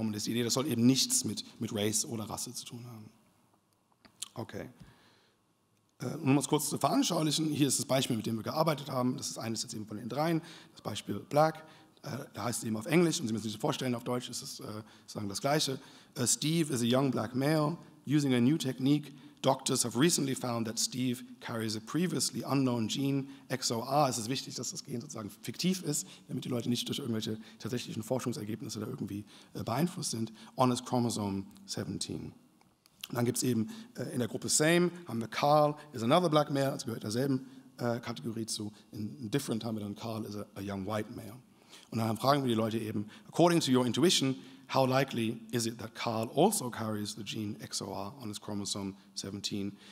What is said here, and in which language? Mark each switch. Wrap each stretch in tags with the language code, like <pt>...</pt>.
<de>Und das ist die Idee, das soll eben nichts mit Race oder Rasse zu tun haben. Okay. Um es kurz zu veranschaulichen, hier ist das Beispiel, mit dem wir gearbeitet haben. Das ist eines jetzt eben von den dreien. Das Beispiel Black, da heißt es eben auf Englisch, und Sie müssen sich vorstellen, auf Deutsch ist es sozusagen das Gleiche.</de> <en>Steve is a young black male using a new technique. Doctors have recently found that Steve carries a previously unknown gene, XOR.</en> <de>Es ist wichtig, dass das Gen sozusagen fiktiv ist, damit die Leute nicht durch irgendwelche tatsächlichen Forschungsergebnisse da irgendwie beeinflusst sind.</de> <en>On his chromosome 17.</en> <de>Und dann gibt es eben in der Gruppe Same, haben wir</de> <en>Carl is another black male,</en> <de>also gehört derselben Kategorie zu.</de> <en>In Different</en> <de>haben wir dann</de> <en>Carl is a young white male.</en> <de>Und dann fragen wir die Leute eben,</de> <en>according to your intuition, how likely is it that Carl also carries the gene XOR on his chromosome 17?</en>